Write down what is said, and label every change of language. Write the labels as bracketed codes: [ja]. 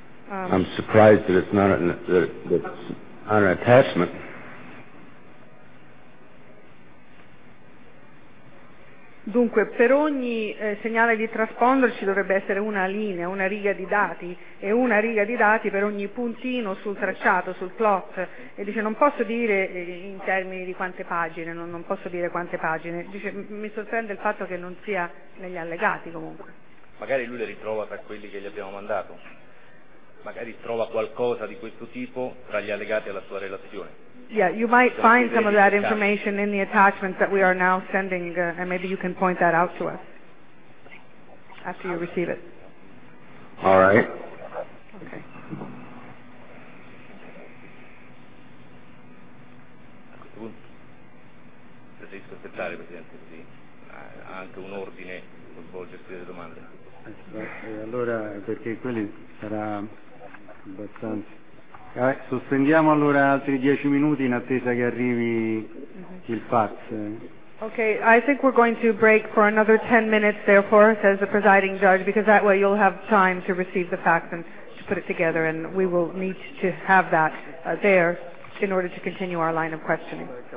[en] I'm surprised that it's not on an attachment. [it] Dunque, per ogni segnale di transponder ci dovrebbe essere una linea, una riga di dati, e una riga di dati per ogni puntino sul tracciato, sul plot. E dice, non posso dire in termini di quante pagine, non posso dire quante pagine. Dice, mi sorprende il fatto che non sia negli allegati, comunque. Magari lui le ritrova tra quelli che gli abbiamo mandato. Magari trova qualcosa di questo tipo tra gli allegati alla sua relazione. [en] Yeah, you might find some of that information in the attachments that we are now sending, and maybe you can point that out to us after you receive it. All right. Okay. [it] A questo punto preferisco aspettare, Presidente, così ha anche un ordine per svolgersi le domande. Allora, perché quelli sarà abbastanza. Sospendiamo allora altri 10 minuti in attesa che arrivi il fax. [en] Okay, I think we're going to break for another 10 minutes, therefore, says the presiding judge, because that way you'll have time to receive the fax and to put it together, and we will need to have that there in order to continue our line of questioning.